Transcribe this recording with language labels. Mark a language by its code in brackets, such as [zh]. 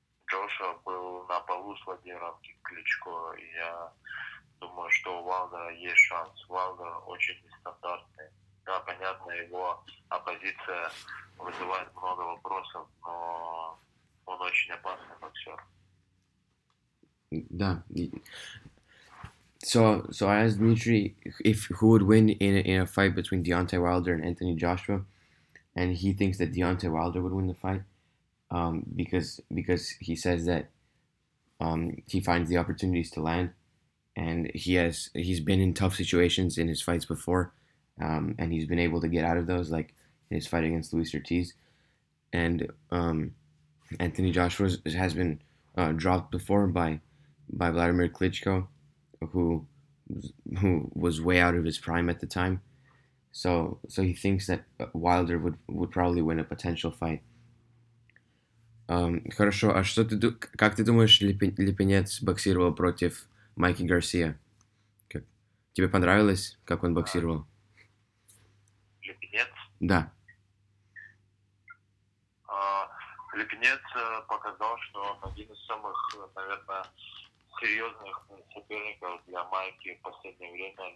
[ru] Джошуа был на полу с Владимиром Кличко, и я думаю, что у Уайлдера есть шанс. Уайлдер очень нестандартный. Да, понятно, его оппозиция вызывает много вопросов, но он очень опасный боксер. Да. [en] So I asked Dmitry if who would win in a fight between Deontay Wilder and Anthony Joshua, and he thinks that Deontay Wilder would win the fight. Because he says that he finds the opportunities to land, and he's been in tough situations in his fights before, and he's been able to get out of those, like in his fight against Luis Ortiz, and Anthony Joshua has been dropped before by Vladimir Klitschko, who was way out of his prime at the time, so he thinks that Wilder would probably win a potential fight. [ru] Хорошо, а что ты как ты думаешь, Липенец боксировал против Майки Гарсия? Как? Тебе понравилось, как он боксировал? Липенец? Да. Липенец показал, что он один из самых, наверное, серьезных соперников для Майки в последнее время.